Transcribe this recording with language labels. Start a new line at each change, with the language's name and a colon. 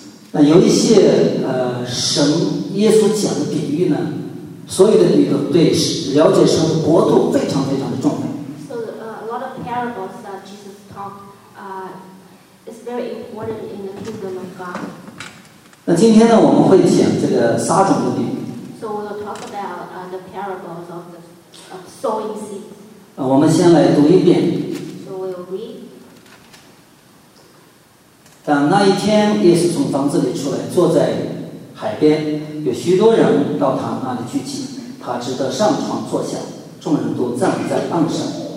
Chinese: 那有一些神耶稣讲的比喻呢，所有的比喻对了解神的国度非常非常的重要。
English: So a lot of parables that Jesus talked is very important in the kingdom of God.
Chinese: 那今天呢，我们会讲这个撒种的比喻。
English: So we'll talk about the parables of the sowing seed.
Chinese: 我们先来读一遍。但那一天，耶稣从房子里出来，坐在海边，有许多人到他那里聚集。他只得上床坐下，众人都站在岸上。